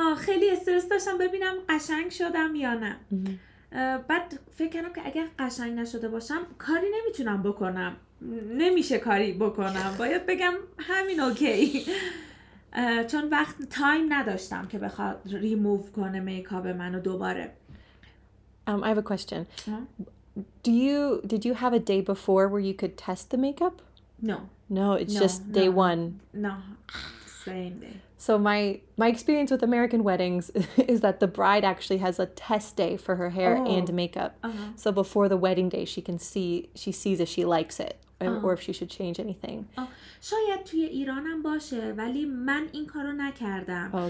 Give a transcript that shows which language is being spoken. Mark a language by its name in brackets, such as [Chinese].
[Persian] خیلی استرس داشتم ببینم قشنگ شدم یا نه. بعد فکر کردم که اگر قشنگ نشده باشم کاری نمیتونم بکنم، نمیشه کاری بکنم، باید بگم همین اوکی. چون وقت تایم نداشتم که بخواد ریموف کنه میکاپ منو دوباره. [English] I have a question. Did you have a day before where you could test the makeup? No, it's just day one. No, same day. So my experience with American weddings is that the bride actually has a test day for her hair and makeup. Uh-huh. So before the wedding day, she sees if she likes it or if she should change anything. [Persian] شاید توی ایرانم باشه، ولی من این کارو نکردم.